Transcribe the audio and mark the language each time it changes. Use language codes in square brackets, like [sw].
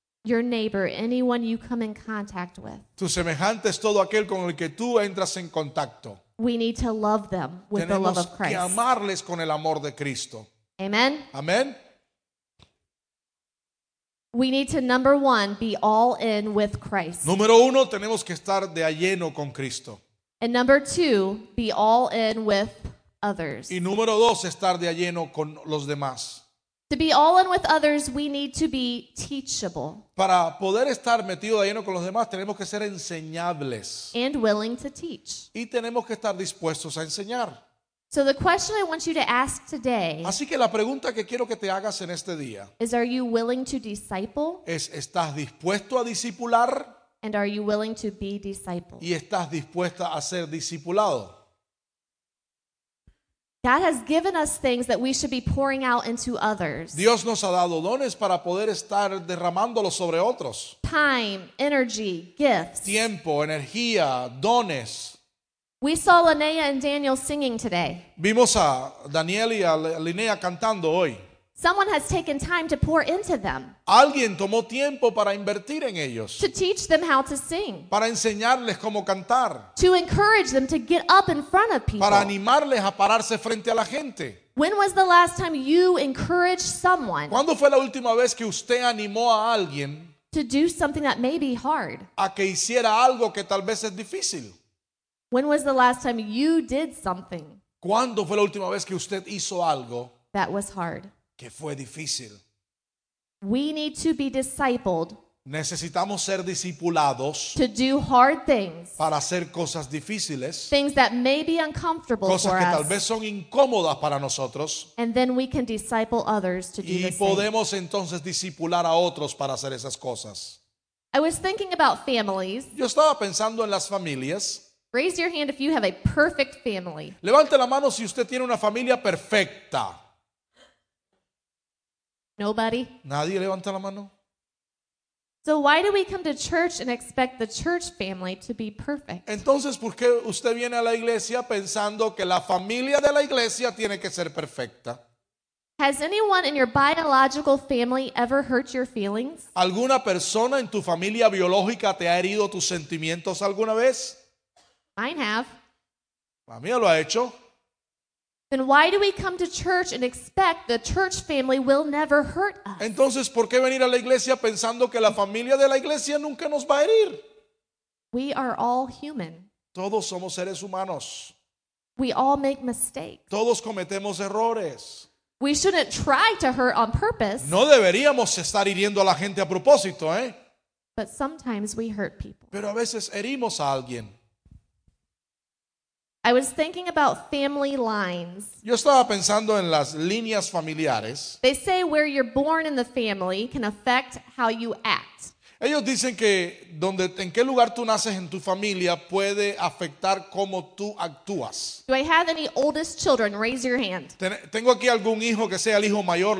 [en] Your neighbor, anyone you come in contact with. [es] Tu semejante es todo aquel con el que tú entras en contacto. [en] We need to love them with [es] Tenemos [en] the love of Christ. [es] Que amarles con el amor de Cristo. [en] Amen. [es] Amen. [en] We need to, number one, be all in with Christ. [es] Número uno, tenemos que estar de a lleno con Cristo. [en] And number two, be all in with others. [es] Y número dos, estar de a lleno con los demás. [en] To be all in with others, we need to be teachable. [es] Para poder estar metido de lleno con los demás, tenemos que ser enseñables. [en] And willing to teach. [es] Y tenemos que estar dispuestos a enseñar. [en] So the question I want you to ask today. [es] Así que la pregunta que quiero que te hagas en este día. [en] Is, are you willing to disciple? [es] Es, ¿estás dispuesto a discipular? [en] And are you willing to be discipled? [es] ¿Y estás dispuesta a ser discipulado? [en] God has given us things that we should be pouring out into others. [es] Dios nos ha dado dones para poder estar derramándolos sobre otros. [en] Time, energy, gifts. [es] Tiempo, energía, dones. [en] We saw Linnea and Daniel singing today. [es] Vimos a Daniel y a Linnea cantando hoy. [en] Someone has taken time to pour into them. [es] Alguien tomó tiempo para invertir en ellos. [en] To teach them how to sing. [es] Para enseñarles cómo cantar. [en] To encourage them to get up in front of people. [es] Para animarles a pararse frente a la gente. [en] When was the last time you encouraged someone? [es] ¿Cuándo fue la última vez que usted animó a alguien? [en] To do something that may be hard. [es] A que hiciera algo que tal vez es difícil. [en] When was the last time you did something? [es] ¿Cuándo fue la última vez que usted hizo algo? [en] That was hard. [es] Que fue difícil. [en] We need to be discipled. [es] Necesitamos ser discipulados. [en] To do hard things. [es] Para hacer cosas difíciles. [en] Things that may be uncomfortable [es] cosas [en] for us. [es] Cosas que tal vez son incómodas para nosotros. [en] And then we can disciple others to do the same. [es] Y podemos entonces discipular a otros para hacer esas cosas. [en] I was thinking about families. [es] Yo estaba pensando en las familias. [en] Raise your hand if you have a perfect family. [es] Levante la mano si usted tiene una familia perfecta. [en] Nobody. [es] Nadie levanta la mano. [en] So why do we come to church and expect the church family to be perfect? [es] Entonces, ¿por qué usted viene a la iglesia pensando que la familia de la iglesia tiene que ser perfecta? [en] Has anyone in your biological family ever hurt your feelings? [es] ¿Alguna persona en tu familia biológica te ha herido tus sentimientos alguna vez? [en] Mine have. [es] La mía lo ha hecho. [en] Then why do we come to church and expect the church family will never hurt us? [es] Entonces, ¿por qué venir a la iglesia pensando que la familia de la iglesia nunca nos va a herir? [en] We are all human. [es] Todos somos seres humanos. [en] We all make mistakes. [es] Todos cometemos errores. [en] We shouldn't try to hurt on purpose. [es] No deberíamos estar hiriendo a la gente a propósito, ¿eh? [en] But sometimes we hurt people. [es] Pero a veces herimos a alguien. [en] I was thinking about family lines. [es] Yo estaba pensando en las líneas familiares. [en] They say where you're born in the family can affect how you act. [es] Ellos dicen que donde, en qué lugar tú naces en tu familia puede afectar cómo tú actúas. [en] Do I have any oldest children? Raise your hand. [es] Tengo aquí algún hijo que sea el hijo mayor.